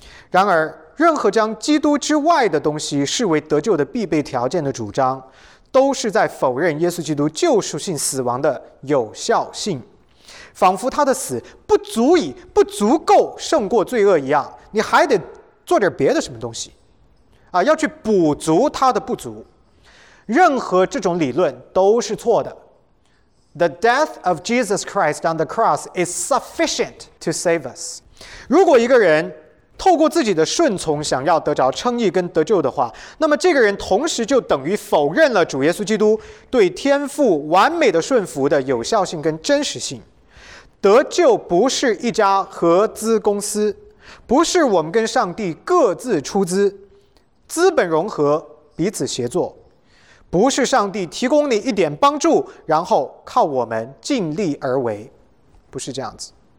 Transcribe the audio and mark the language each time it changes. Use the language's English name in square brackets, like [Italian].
[Chinese] 然而，任何将基督之外的东西视为得救的必备条件的主张，都是在否认耶稣基督救赎性死亡的有效性，仿佛他的死不足够胜过罪恶一样，你还得做点别的什么东西啊，要去补足他的不足。任何这种理论都是错的。 [English] The death of Jesus Christ on the cross is sufficient to save us。 [Chinese] 如果一个人透过自己的顺从想要得着称义跟得救的话，那么这个人同时就等于否认了主耶稣基督对天父完美的顺服的有效性跟真实性。得救不是一家合资公司，不是我们跟上帝各自出资，资本融合，彼此协作，不是上帝提供你一点帮助，然后靠我们尽力而为，不是这样子。